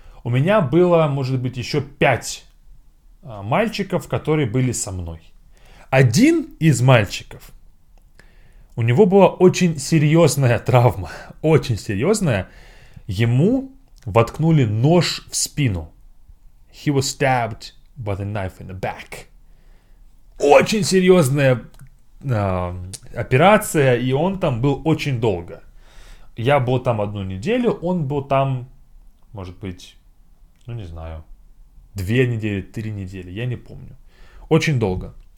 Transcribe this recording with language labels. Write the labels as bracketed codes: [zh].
[ru] У меня было, может быть, еще 5 мальчиков, которые были со мной. Один из мальчиков, у него была очень серьезная травма, очень серьезная. Ему воткнули нож в спину. [en] He was stabbed by the knife in the back. [ru] Очень серьезная операция, и он там был очень долго. Я был там одну неделю, он был там, может быть, ну не знаю, 2 недели, 3 недели, я не помню. Очень долго.